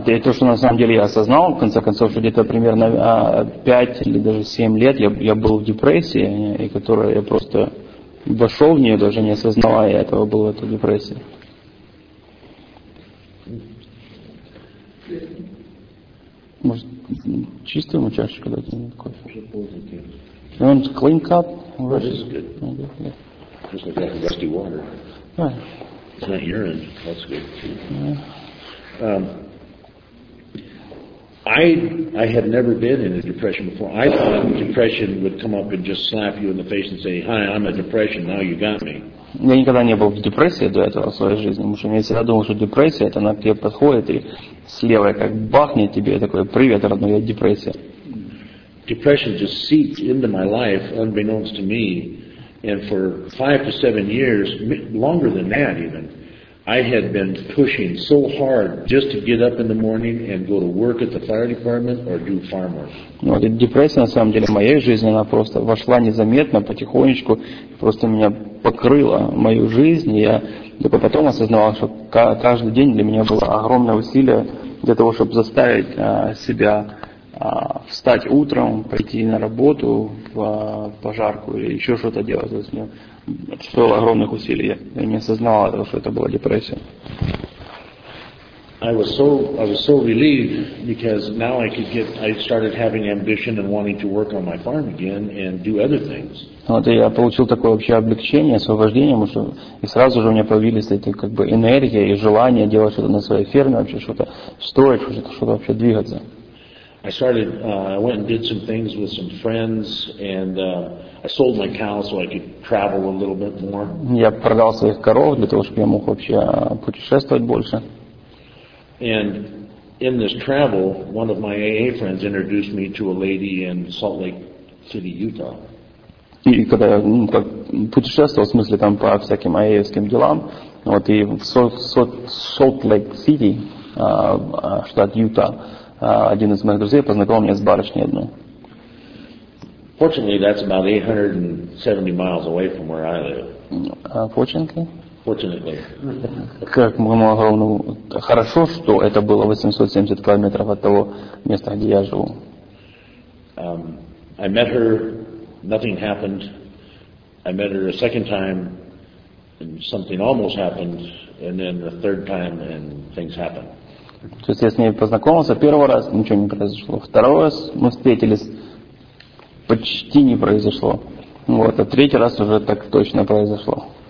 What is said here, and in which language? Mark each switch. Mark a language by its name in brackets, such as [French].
[Russian] То, что на самом деле я осознал, в конце концов, что где-то примерно 5 или даже 7 лет я был в депрессии, и которая я просто вошел в нее, даже не осознавая этого, была эта депрессия. Может, чистую ему чашечку дать? Нет, кофе. [English] You want to clean cup? Oh, this is good. Just like that, dusty water. It's not urine. That's good. I had never been in a depression before. I thought depression would come up and just slap you in the face and say, "Hi, I'm a depression. Now you got me." [Russian] Я никогда не был в депрессии до этого в своей жизни, потому что я всегда думал, что депрессия, это она к тебе подходит и слева как бахнет тебе, такой, привет, родной, я депрессия. [English] Depression just seeped into my life, unbeknownst to me, and for 5 to 7 years, longer than that even, I had been pushing so hard just to get up in the morning and go to work at the fire department or do farm work. [Russian] Ну, вот депрессия, на самом деле, в моей жизни, она просто вошла незаметно, потихонечку, просто меня покрыла мою жизнь, и я только потом осознавал, что каждый день для меня было огромное усилие для того, чтобы заставить себя встать утром, пойти на работу, в пожарку или еще что-то делать. То есть мне стоило огромных усилий. Я не осознавал того, что это была депрессия. [English] I was so relieved because now I could get, I started having ambition and wanting to work on my farm again and do other things. [Russian] Вот я получил такое вообще облегчение, освобождение, потому что и сразу же у меня появились эти как бы энергия и желание делать что-то на своей ферме, вообще что-то строить, что-то вообще двигаться. [English] I started, I went and did some things with some friends, and I sold my cows so I could travel a little bit more. [Russian] Я продал своих коров для того, чтобы я мог вообще путешествовать больше. [English] And in this travel, one of my AA friends introduced me to a lady in Salt Lake City, Utah. [Russian] И когда я как путешествовал, в смысле там по всяким AA-ским делам, вот и в Salt Lake City, штат Юта. Один из моих друзей познакомил меня с барышней одной. [English] Fortunately, that's about 870 miles away from where I live. Fortunately. [Russian] Как моему огромному хорошо, что это было 870 километров от того места, где я живу. [English] I met her. Nothing happened. I met her a second time, and something almost happened, and then the third time, and things happened. [Russian] То есть я с ней познакомился первый раз, ничего не произошло. Второй раз мы встретились, почти не произошло. Вот, а третий раз уже так точно произошло.